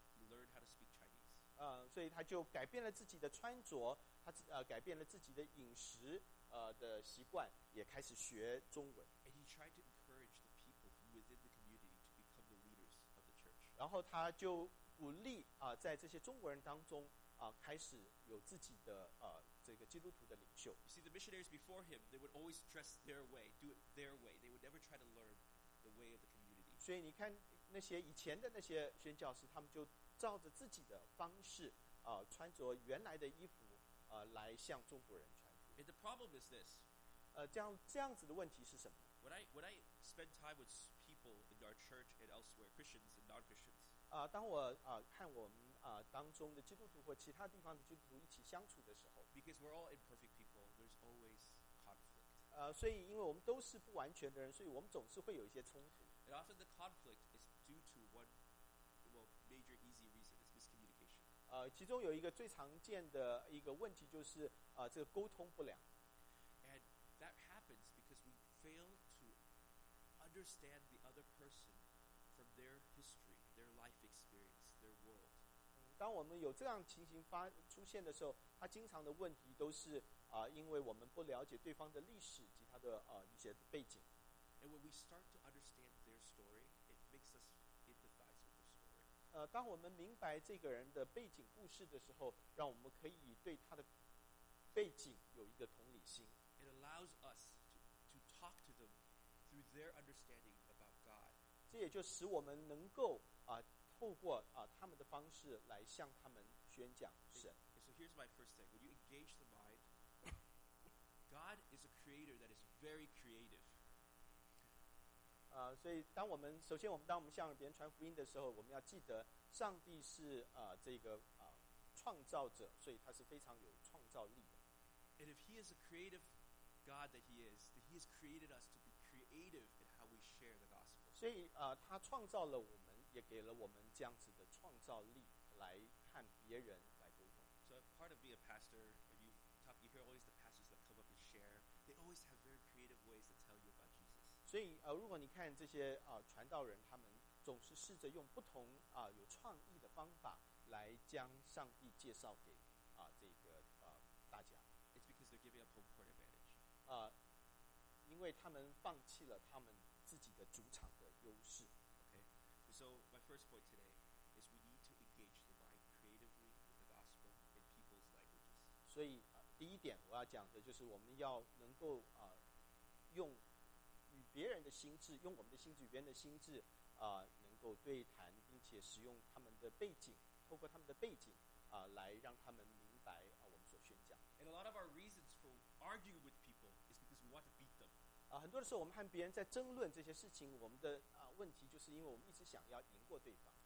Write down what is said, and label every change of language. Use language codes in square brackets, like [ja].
[en] He learned how to speak Chinese. [zh] 所以他就改变了自己的穿着，他改变了自己的饮食的习惯，也开始学中文。 [en] And he tried to encourage the people within the community to become the leaders of the church. [zh] 然后他就鼓励在这些中国人当中开始有自己的这个基督徒的领袖。 [en] You see, the missionaries before him, they would always dress their way, do it their way. They would never try to learn the way of the community. [zh] 所以你看那些以前的那些宣教士，他们就照着自己的方式穿着原来的衣服来向中国人传福音。 [en] And the problem is this. [zh] 这样子的问题是什么？ [en] When I spend time with people in our church and elsewhere, Christians and non-Christians. [zh] 当我看我们当中的基督徒或其他地方的基督徒一起相处的时候 [en] ，because we're all imperfect people, there's always conflict. [zh] 所以因为我们都是不完全的人，所以我们总是会有一些冲突。 [en] And often the conflict is due to one, well, major easy reason is miscommunication. [zh] 其中有一个最常见的一个问题就是这个沟通不良。 [en] And that happens because we fail to understand the other person from their history, their life experience, their world. [zh] 当我们有这样情形出现的时候，他经常的问题都是因为我们不了解对方的历史及他的一些背景。 [en] And when we start to understand their story, it makes us empathize with the story. [zh] 当我们明白这个人的背景故事的时候，让我们可以对他的背景有一个同理心。 [en] It allows us to talk to them through their understanding about God. [zh] 这也就使我们能够透过他们的方式来向他们宣讲神。 [en] So here's my first thing. When you engage the mind, God is a creator that is very creative. [zh] 所以当我们首先我们当我们向别人传福音的时候，我们要记得上帝是这个创造者，所以他是非常有创造力的。 [en] And if he is a creativeGod that he is, that he has created us to be creative in how we share the gospel. [zh] 所以他创造了我们，也给了我们这样子的创造力来看别人来沟通。 [en] So part of being a pastor, when you talk, you hear always the pastors that come up and share. They always have very creative ways to tell you about Jesus. [zh] 所以如果你看这些传道人，他们总是试着用不同有创意的方法来将上帝介绍给这个大家。 [en] It's because they're giving up home court advantage. [zh] 因为他们放弃了他们自己的主场的优势。 [en] Okay, so my first point today is we need to engage the mind creatively with the gospel in people's languages. [zh] 所以第一点我要讲的就是我们要能够用与别人的心智，用我们的心智与别人的心智能够对谈，并且使用他们的背景，透过他们的背景来让他们明白我们所宣讲。 [en] And a lot of our reasons for arguing with people is because we want to beat them. [zh] 很多的时候我们和别人在争论这些事情，我们的问题就是因为我们一直想要赢过对方。